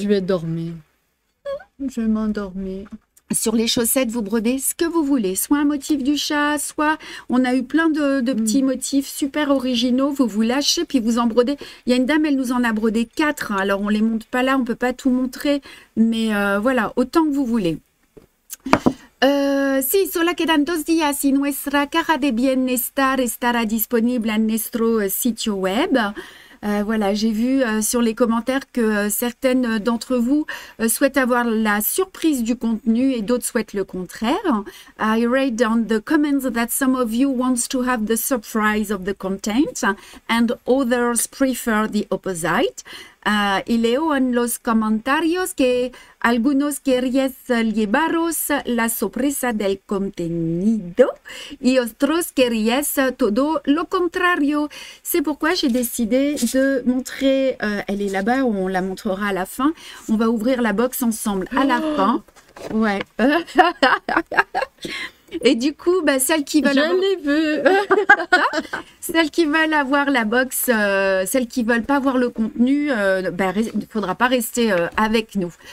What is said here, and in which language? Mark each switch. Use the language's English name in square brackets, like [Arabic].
[French] Je vais dormir. Je vais m'endormir. Sur les chaussettes, vous brodez ce que vous voulez. Soit un motif du chat, soit on a eu plein de petits motifs super originaux. Vous vous lâchez, puis vous en brodez. Il y a une dame, elle nous en a brodé 4. Hein. Alors, on ne les montre pas là, on ne peut pas tout montrer. Mais voilà, autant que vous voulez. [Spanish] Sí, solo quedan 2 días y nuestra caja de bienestar estará disponible en nuestro sitio web. Voilà, j'ai vu sur les commentaires que certaines d'entre vous souhaitent avoir la surprise du contenu et d'autres souhaitent le contraire. [English] I read on the comments that some of you wants to have the surprise of the content and others prefer the opposite. [Spanish] Y leo en los comentarios que algunos querías llevaros la sorpresa del contenido y otros querías todo lo contrario. [French] C'est pourquoi j'ai décidé de montrer, elle est là-bas, on la montrera à la fin. On va ouvrir la box ensemble à la fin. Ouais. Et du coup, bah, celles qui veulent... Je l'ai vu. Celles qui veulent avoir la box, celles qui ne veulent pas voir le contenu, bah, ne faudra pas rester avec nous.